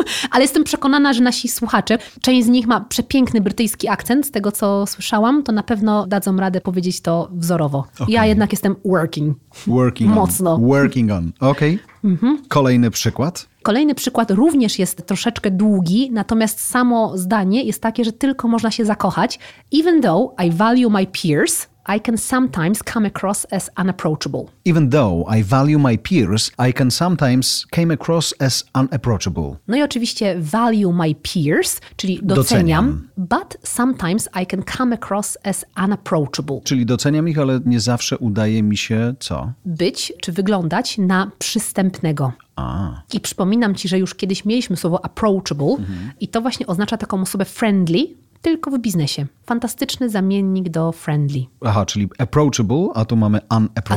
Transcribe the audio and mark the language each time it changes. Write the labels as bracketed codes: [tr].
[pl] Ale jestem przekonana, że nasi słuchacze, część z nich ma przepiękny brytyjski akcent, z tego co słyszałam, to na pewno dadzą radę powiedzieć to wzorowo. Okay. Ja jednak jestem working. [en] Working [pl] mocno. On. [en] Working on. [pl] Okej. Okay. Mhm. Kolejny przykład. Kolejny przykład również jest troszeczkę długi, natomiast samo zdanie jest takie, że tylko można się zakochać. [en] Even though I value my peers, I can sometimes come across as unapproachable. Even though I value my peers, I can sometimes come across as unapproachable. [pl] No i oczywiście [en] value my peers, [pl] czyli doceniam, [en] but sometimes I can come across as unapproachable. [pl] Czyli doceniam ich, ale nie zawsze udaje mi się co? Być czy wyglądać na przystępnego. I przypominam ci, że już kiedyś mieliśmy słowo approachable, mhm. I to właśnie oznacza taką osobę friendly, tylko w biznesie. Fantastyczny zamiennik do friendly. Aha, czyli approachable, a tu mamy unapproachable.